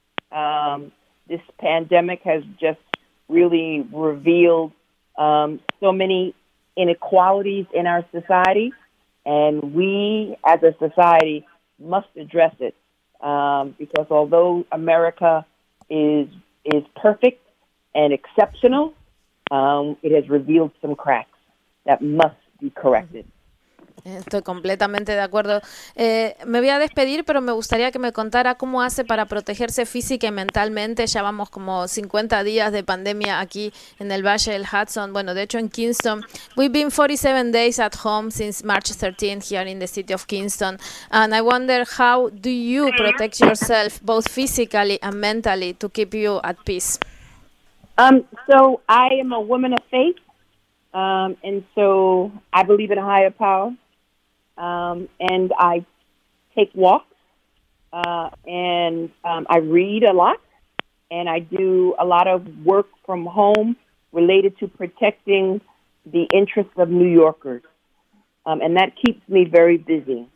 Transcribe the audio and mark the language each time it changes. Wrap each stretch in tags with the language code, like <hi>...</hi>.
<en>This pandemic has just really revealed so many inequalities in our society, and we as a society must address it, because although America is perfect and exceptional, it has revealed some cracks that must be corrected.</en> <es>Estoy completamente de acuerdo. Me voy a despedir, pero me gustaría que me contara cómo hace para protegerse física y mentalmente. Ya vamos como 50 días de pandemia aquí en el Valle del Hudson. Bueno, de hecho en Kingston.</es> <en>We've been 47 days at home since March 13th here in the city of Kingston. And I wonder, how do you protect yourself both physically and mentally to keep you at peace? So I am a woman of faith. And so I believe in a higher power, and I take walks, and I read a lot, and I do a lot of work from home related to protecting the interests of New Yorkers, and that keeps me very busy.</en>